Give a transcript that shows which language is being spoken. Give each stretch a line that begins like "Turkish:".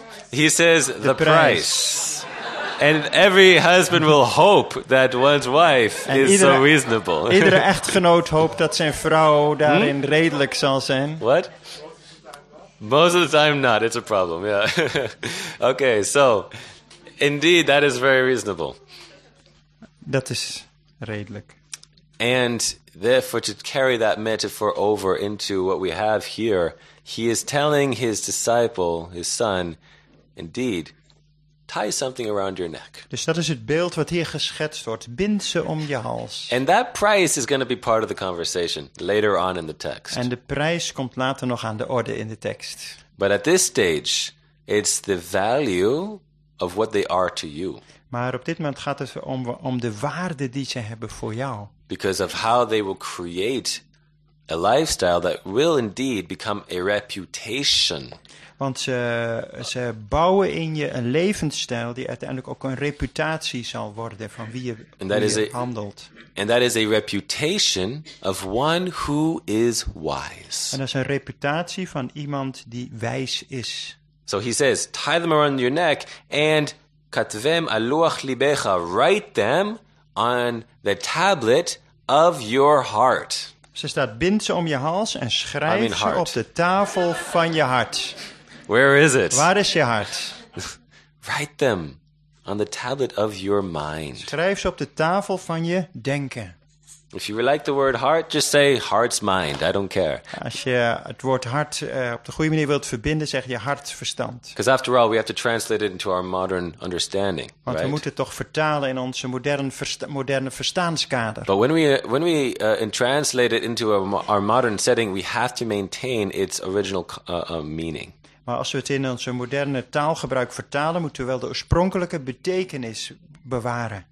English: He says the price. And every husband will hope that one's wife is so reasonable.
Dutch: Iedere echtgenoot hoopt dat zijn vrouw daarin redelijk zal zijn.
English: What? Most of the time not. It's a problem, yeah. Okay, so indeed that is very reasonable.
Dutch: Dat is redelijk.
English: And therefore to carry that metaphor over into what we have here, he is telling his disciple, his son, indeed, tie something around your neck.
Dutch: Dus dat is het beeld wat hier geschetst wordt. Bind ze om je hals.
English: And that price is going to be part of the conversation later on in the text.
Dutch: En de prijs komt later nog aan de orde in de tekst.
English: But at this stage, it's the value of what they are to you.
Dutch: Maar op dit moment gaat het om de waarde die ze hebben voor jou.
English: Because of how they will create a lifestyle that will indeed become a reputation.
Dutch: Want ze bouwen in je een levensstijl die uiteindelijk ook een reputatie zal worden van wie je, handelt.
English: And that is a reputation of one who is wise.
Dutch: En dat is een reputatie van iemand die wijs is.
English: So he says, tie them around your neck and
Hebrew: katvem aluach libecha,
English: write them on the tablet of your heart.
Dutch: Ze staat, bind ze om je hals en schrijf ze op de tafel van je hart.
English: Where is it?
Dutch: Waar is je hart?
English: Write them on the tablet of your mind.
Dutch: Schrijf ze op de tafel van je denken.
English: If you like the word heart, just say heart's mind. I don't care.
Dutch: Als je het woord hart op de goede manier wilt verbinden, zeg je hartverstand.
English: Because after all, we have to translate it into our modern understanding.
Dutch: Want
English: right?
Dutch: We moeten het toch vertalen in onze moderne verstaanskader.
English: But translate it into our modern setting, we have to maintain its original meaning.
Dutch: Maar als we het in onze moderne taalgebruik vertalen, moeten we wel de oorspronkelijke betekenis bewaren.